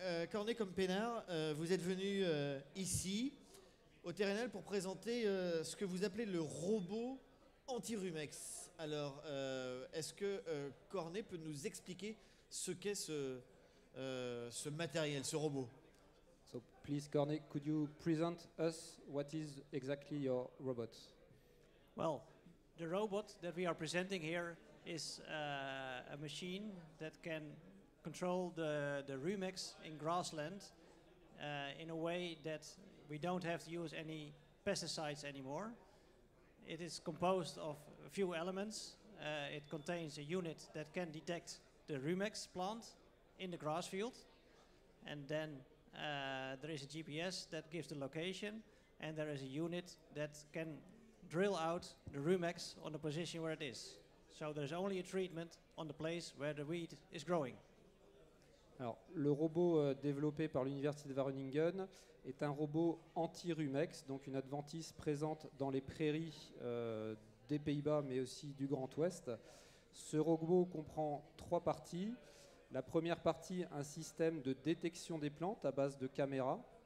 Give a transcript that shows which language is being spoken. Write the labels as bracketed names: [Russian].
[French] Corné Campenaar, vous êtes venu ici, au Terrenal, pour présenter ce que vous appelez le robot anti-rumex. Alors, est-ce que Corné peut nous expliquer ce qu'est ce matériel, ce robot? [English] So please, Corné, could you present us what is exactly your robot? Well, the robot that we are presenting here is a machine that can control the rumex in grassland in a way that we don't have to use any pesticides anymore. It is composed of a few elements. It contains a unit that can detect the rumex plant in the grass field, and then there is a GPS that gives the location, and there is a unit that can drill out the rumex on the position where it is. So there's only a treatment on the place where the weed is growing. [French] Alors, le robot développé par l'université de Wageningen est un robot anti-rumex, donc une adventice présente dans les prairies des Pays-Bas, mais aussi du Grand Ouest. Ce robot comprend trois parties. La première partie, un système de détection des plantes à base de caméras.